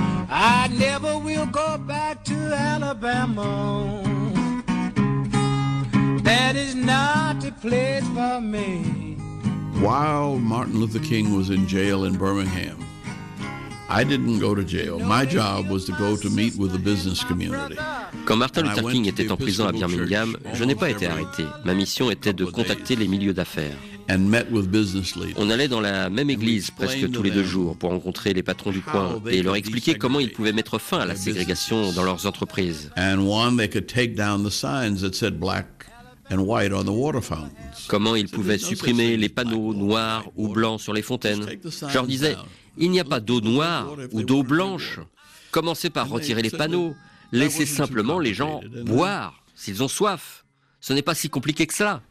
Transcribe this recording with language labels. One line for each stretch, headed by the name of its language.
English: I never will go back to Alabama. That is not played for me. While Martin Luther King was in jail in Birmingham, I didn't go to jail. My job was to go to meet with the business community.
French: Quand Martin Luther King était en prison à Birmingham, je n'ai pas été arrêté. Ma mission était de contacter les milieux d'affaires.
English: And met with business leaders.
French: On allait dans la même église presque tous les deux jours pour rencontrer les patrons du coin et leur expliquer comment ils pouvaient mettre fin à la ségrégation dans leurs entreprises.
English: And one, they could take down the signs that said black. And white on the water fountains.
French: Comment ils pouvaient supprimer les panneaux noirs ou blancs sur les fontaines? Je leur disais, il n'y a pas d'eau noire ou d'eau blanche. Commencez par retirer les panneaux. Laissez simplement les gens boire s'ils ont soif. Ce n'est pas si compliqué que cela.